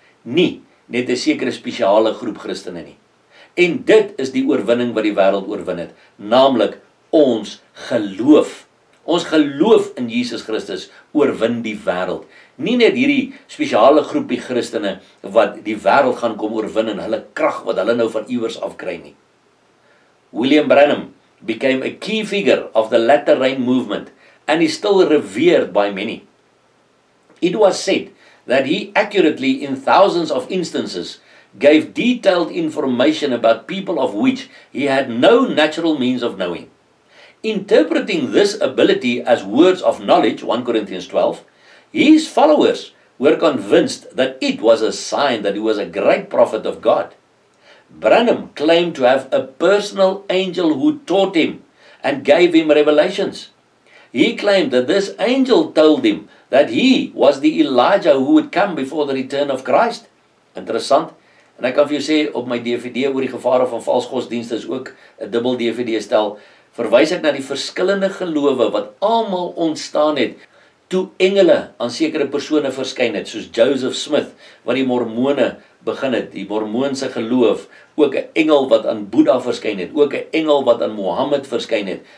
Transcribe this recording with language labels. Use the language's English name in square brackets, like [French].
[Afrikaans] Nie net 'n sekere spesiale groep Christene nie. En dit is die oorwinning wat die wêreld oorwin het, naamlik ons geloof. Ons geloof in Jesus Christus oorwin die wêreld. Nie net hierdie spesiale groepie Christene wat die wêreld gaan kom oorwin in hulle krag wat hulle nou van iewers af kry nie. [English] William Branham became a key figure of the latter rain movement and is still revered by many. It was said that he accurately in thousands of instances gave detailed information about people of which he had no natural means of knowing. Interpreting this ability as words of knowledge, 1 Corinthians 12, his followers were convinced that it was a sign that he was a great prophet of God. Branham claimed to have a personal angel who taught him and gave him revelations. He claimed that this angel told him that he was the Elijah who would come before the return of Christ. [Afrikaans] Interessant. En ek kan vir jou sê, op my DVD oor die gevare van vals godsdienste is ook 'n dubbel DVD stel, verwys ek na die verskillende gelowe wat almal ontstaan het toe engele aan sekere persone verskyn het, soos Joseph Smith, wat die Mormone begin het, die Mormoonse geloof, ook 'n engel wat aan Boeddha verskyn het, ook 'n engel wat aan Mohammed verskyn het.